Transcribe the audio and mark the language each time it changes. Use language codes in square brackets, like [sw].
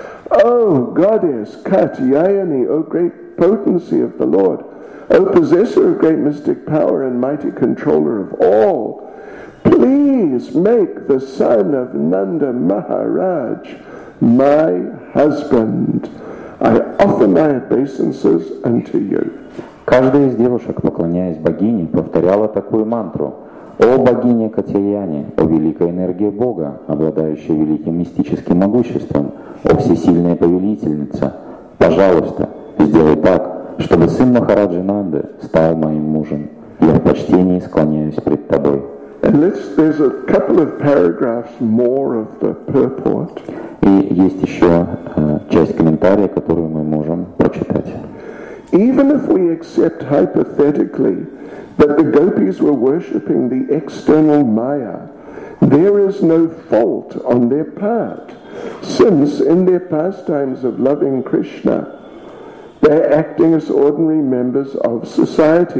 [en] O goddess Katyayani, O great potency of the Lord, O possessor of great mystic power and mighty controller of all, please make the son of Nanda Maharaj my husband. I offer my obeisances unto you. [ru] Каждая из девушек, поклоняясь богине, повторяла такую мантру. О богиня Катьяяни, о великая энергия Бога, обладающая великим мистическим могуществом, о всесильная повелительница, пожалуйста, сделай так, чтобы сын Махараджи Нанды стал моим мужем. Я в почтении склоняюсь пред тобой. [en] And there's a couple of paragraphs more of the purport. [ru] И есть еще часть комментария, которую мы можем прочитать. [en] Even if we accept hypothetically that the gopis were worshipping the external maya, there is no fault on their part, since in their pastimes of loving Krishna, they're acting as ordinary members of society.